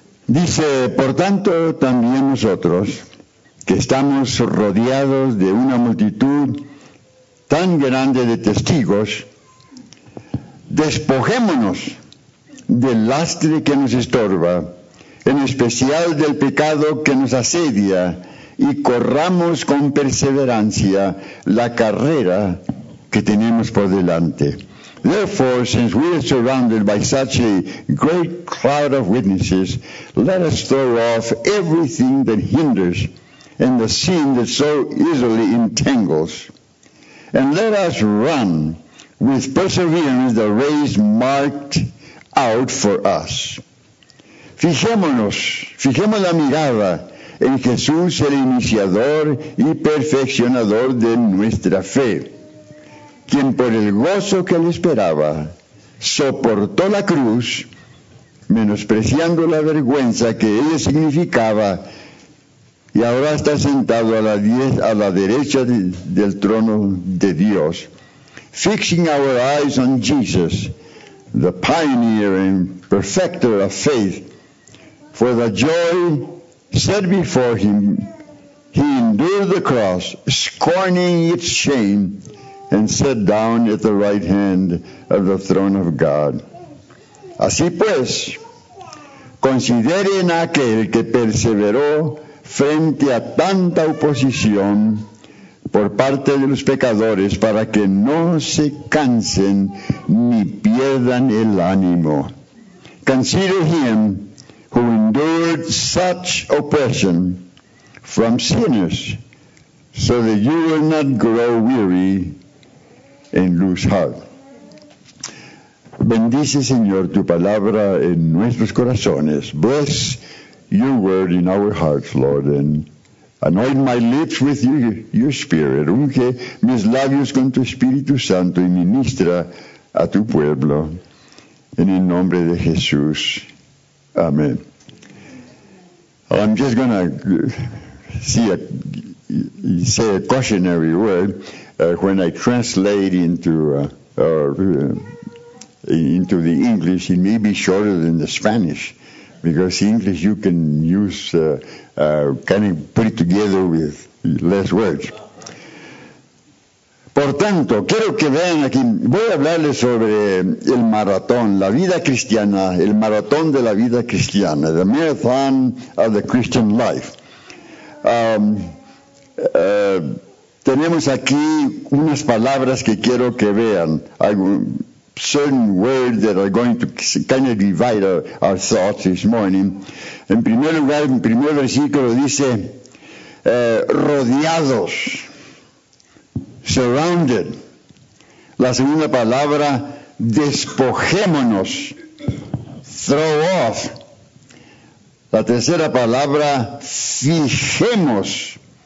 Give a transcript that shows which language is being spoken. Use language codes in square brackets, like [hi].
[es] Dice, por tanto, también nosotros, que estamos rodeados de una multitud tan grande de testigos, despojémonos del lastre que nos estorba, en especial del pecado que nos asedia, y corramos con perseverancia la carrera que tenemos por delante. [en] Therefore, since we are surrounded by such a great cloud of witnesses, let us throw off everything that hinders and the sin that so easily entangles, and let us run with perseverance the race marked out for us. [es] Fijémonos la mirada en Jesús, el iniciador y perfeccionador de nuestra fe, quien por el gozo que le esperaba soportó la cruz, menospreciando la vergüenza que él significaba, y ahora está sentado a la derecha del trono de Dios. [en] Fixing our eyes on Jesus, the pioneer and perfecter of faith, for the joy set before him, he endured the cross, scorning its shame, and sat down at the right hand of the throne of God. [es] Así pues, consideren aquel que perseveró frente a tanta oposición por parte de los pecadores para que no se cansen ni pierdan el ánimo. [en] Consider him who endured such oppression from sinners so that you will not grow weary and lose heart. [es] Bendice, Señor, tu palabra en nuestros corazones. [en] Bless your word in our hearts, Lord, and anoint my lips with your spirit. [es] Unge mis labios con tu Espíritu Santo y ministra a tu pueblo. En el nombre de Jesús. Amén. [en] I'm just going to say a cautionary word. When I translate into the English, it may be shorter than the Spanish, because English you can use kind of put it together with less words. [es] Por tanto, quiero que vean aquí. Voy a hablarles sobre el maratón, la vida cristiana, el maratón de la vida cristiana, [en] the marathon of the Christian life. [es] Tenemos aquí unas palabras que quiero que vean. [en] Certain words that are going to kind of divide our thoughts this morning. [es] En primer lugar, en primer versículo dice, rodeados, surrounded. La segunda palabra, despojémonos, [en] throw off. [es] La tercera palabra, fijemos.